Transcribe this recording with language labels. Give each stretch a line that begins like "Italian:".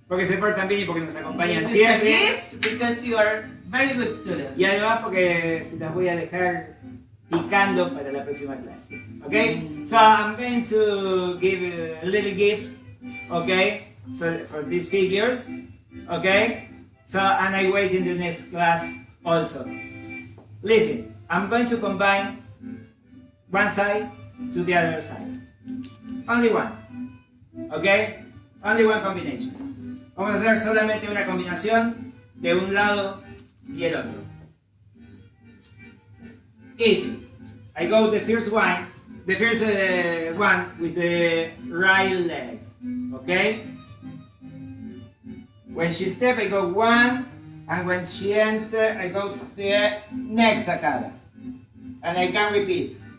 Spanish: Porque se portan bien y porque nos acompañan siempre.
English: Because you are very good students.
Spanish: Y además porque se las voy a dejar picando para la próxima clase, ok?
English: So I'm going to give a little gift, ok? So for these figures, ok? So, and I wait in the next class also. Listen, I'm going to combine one side to the other side. Only one, ok? Only one combination.
Spanish: Vamos a hacer solamente una combinación de un lado y el otro.
English: Easy. I go the first one with the right leg, okay? When she step, I go one, and when she enter, I go the next sacada. And I can repeat.